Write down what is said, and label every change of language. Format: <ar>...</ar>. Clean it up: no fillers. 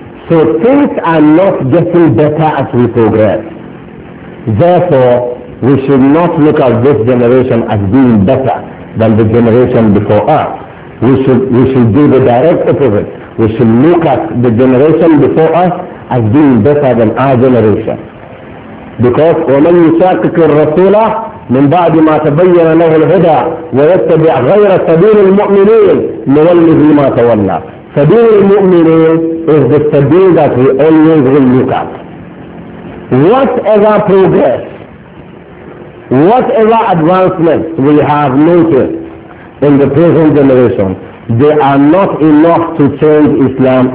<en>So things are not getting better as we progress. Therefore, we should not look at this generation as being better than the generation before us. We should do the direct opposite. We should look at the generation before us as being better than our generation. Because</en> <ar>وَمَنْ يُشَاقِقِ الرَّسُولَ مِنْ بَعْدِ مَا تَبَيَّنَ لَهُ الْهُدَى وَيَتَّبِعْ غَيْرَ سَبِيلِ الْمُؤْمِنِينَ نُوَلِّهِ مَا تَوَلَّى.</ar> <en>Sabeel al-Mu'mineen is the Sabeel that we always will look at. Whatever progress, whatever advancements we have noted in the present generation, they are not enough to change Islam.</en>